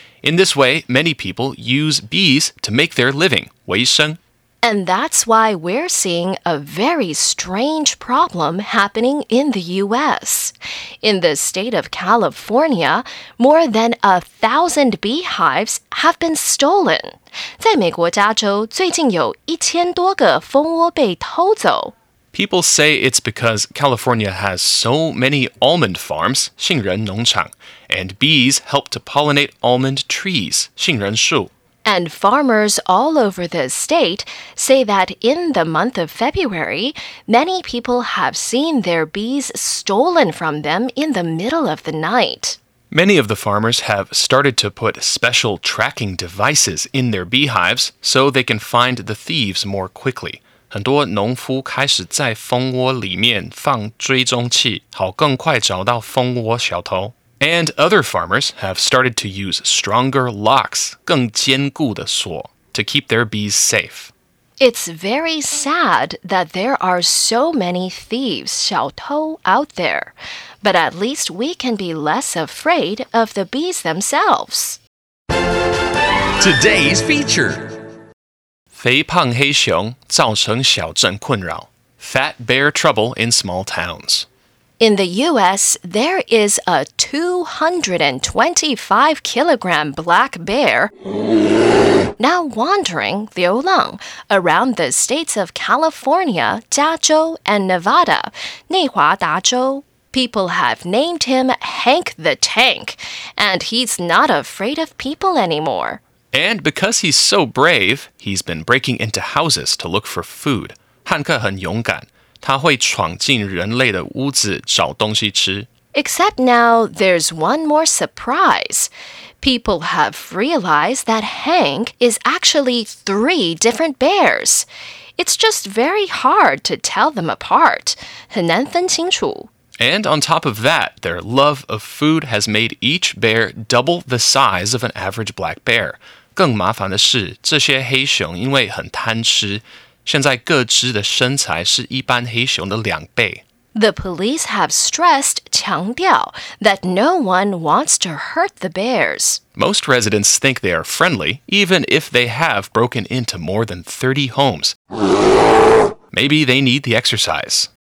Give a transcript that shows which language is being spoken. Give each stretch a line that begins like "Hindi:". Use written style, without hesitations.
English: In this way, many people use bees to make their living, 维生, And that's why we're seeing a very strange problem happening in the U.S. In the state of California, more than 1,000 beehives have been stolen.
Chinese: 在美国加州,最近有一千多个蜂窝被偷走。
English: People say it's because California has so many almond farms, 杏仁农场, and bees help to pollinate almond trees, 杏仁树。 And farmers all over the state say that in the month of February, many people have seen their bees stolen from them in the middle of the night. Many of the farmers have started to put special tracking devices in their beehives so they can find the thieves more quickly.
Chinese: 很多农夫开始在蜂窝里面放追踪器，好更快找到蜂窝小偷。
English: And other farmers have started to use stronger locks,
Chinese: 更坚固的锁,
English: to keep their bees safe. It's very sad that there are so many thieves, 小偷, out there. But at least we can be less afraid of the bees themselves. Today's feature.
Chinese: 肥胖黑熊造成小镇困扰.
English: Fat bear trouble in small towns. In the U.S., there is a 225-kilogram black bear now wandering, 流浪, around the states of California, 加州, and Nevada, 内华达州. People have named him Hank the Tank, and he's not afraid of people anymore. And because he's so brave, he's been breaking into houses to look for food.
Chinese: 汉克很勇敢。它会闯进人类的屋子找东西吃。
English: Except now, there's one more surprise. People have realized that Hank is actually three different bears. It's just very hard to tell them apart.
Chinese: 很难分清楚。
English: And on top of that, their love of food has made each bear double the size of an average black bear.
Chinese: 更麻烦的是，这些黑熊因为很贪吃，现在各只的身材是一般黑熊的两倍。
English: The police have stressed, 强调, that no one wants to hurt the bears. Most residents think they are friendly, even if they have broken into more than 30 homes. Maybe they need the exercise.